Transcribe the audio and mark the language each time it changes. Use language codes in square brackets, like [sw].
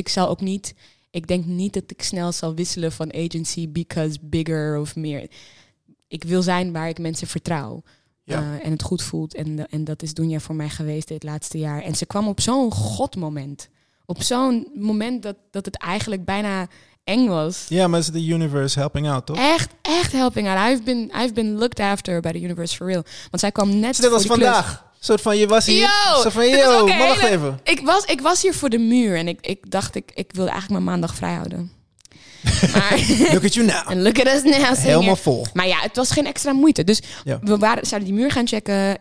[nl] ik zal ook niet, ik denk niet dat ik snel zal wisselen van agency [en] because bigger [nl] of meer. Ik wil zijn waar ik mensen vertrouw. Ja. En het goed voelt. En dat is Dunja voor mij geweest dit laatste jaar. En ze kwam op zo'n godmoment. Op zo'n moment dat het eigenlijk bijna eng was. Ja, maar is [en] the universe helping out, [nl] toch? Echt [en] helping out. I've been looked after by the universe for real. [nl] Want zij kwam net voor was vandaag. Klus. Een soort van, je was hier. Yo, zo van, yo, wacht even. Ik was hier voor de muur. En ik dacht, ik wil eigenlijk mijn maandag vrijhouden. Maar, [en] look at you now. Look at us now. Singer. [nl] Helemaal vol. Maar ja, het was geen extra moeite. Dus we zouden die muur gaan checken.